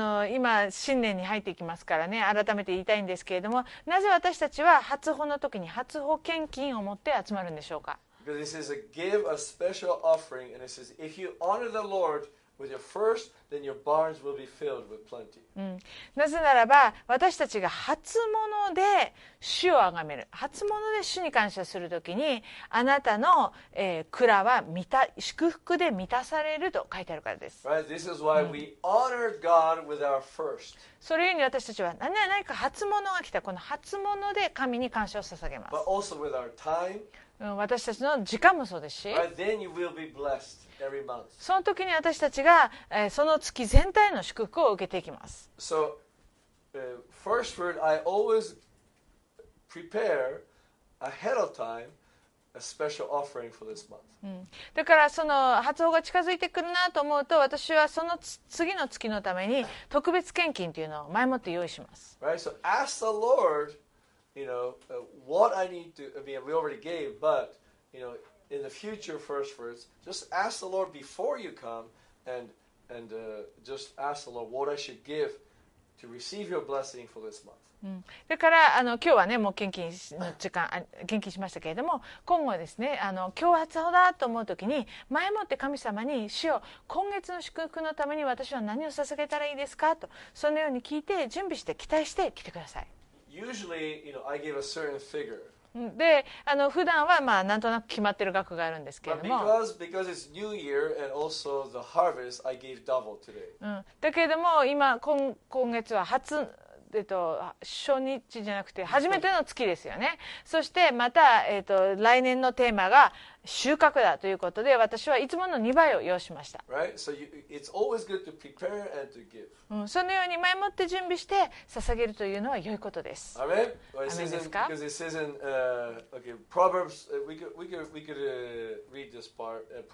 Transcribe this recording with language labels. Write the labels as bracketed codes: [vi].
[ja] 今新年に入っていきますからね、改めて言いたいんですけれども、なぜ私たちは初穂の時に初穂献金を持って集まるんでしょうか。 [en] Because this is a give a special offering and it says if you honor the Lord with your first then your barns will be filled with plenty. [ja] なぜならば私たちが初物で主をあがめる、初物で主に感謝する時にあなたの、蔵は満た祝福で満たされると書いてあるからです。 [en] Right, this is why we honor God with our first. [ja] それゆえに私たちは何か初物が来た、この初物で神に感謝を捧げます。 [en] But also with our time. [ja] 私たちの時間もそうですし、 [en] right, then you will be blessed every month. [ja] その時に私たちが、その月全体の祝福を受けていきます。 [en] So, first fruit, I always prepare ahead of time a special offering for this month. [ja] だからその初穂が近づいてくるなと思うと、私はその次の月のために特別献金というのを前もって用意します。 [en] Right, so ask the LordYou know, what I need to, I mean, we already gave, but, you know, in the future first fruits, just ask the Lord before you come and just ask the Lord what I should give to receive your blessing for this month. [ja] だから今日はね、もう献金の時間献金しましたけれども、今後はですね、今日初穂だと思う時に前もって神様に、主よ、今月の祝福のために私は何を捧げたらいいですかと、そのように聞いて準備して期待して来てください。 [en] Usually, you know, I give a certain figure. [ja] で、普段はまあなんとなく決まってる額があるんですけれども。 [en] But because it's New Year and also the harvest, I gave double today. [ja] だけれども今月は初日じゃなくて初めての月ですよね。そしてまた来年のテーマが収穫だということで、私はいつもの2倍を用意しました。 [en] Right? So it's always good to prepare and to give. そのように前もって準備して捧げるというのは良いことです。 [ja] アメン。 [en] Because it says in okay, Proverbs, we could read this part.